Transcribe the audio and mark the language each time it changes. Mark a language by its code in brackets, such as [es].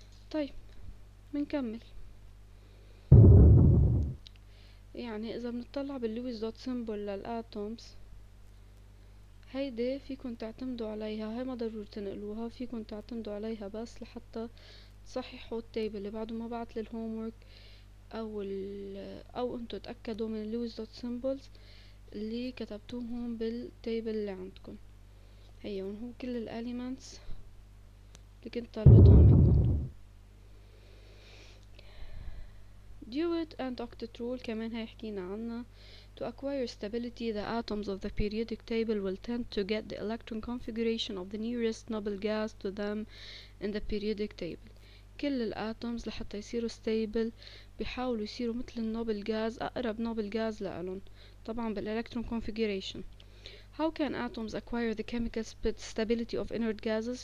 [ar] طيب منكمل، يعني اذا بنطلع باللويس دوت سيمبل للاتومز، هيدي فيكن تعتمدوا عليها، هاي ما ضروري تنقلوها، فيكن تعتمدوا عليها بس لحتى تصححوا التابل اللي بعده ما بعت للهومورك، او انتو تأكدوا من اللويس دوت سيمبلز اللي كتبتوهم بالتابل اللي عندكم. هيون هو كل الاليمنتس اللي كنت طالبتهم منكم. [en] duet and octet rule [ar] كمان هي حكينا عنها. [en] To acquire stability, the atoms of the periodic table will tend to get the electron configuration of the nearest noble gas to them in the periodic table. [ar] كل الاتومز لحتى يصيروا ستيبل بيحاولوا يصيروا مثل النوبل جاز، اقرب نوبل جاز لالهم طبعا بالالكترون كونفيجريشن. [en] How can atoms acquire the chemical stability of inert gases?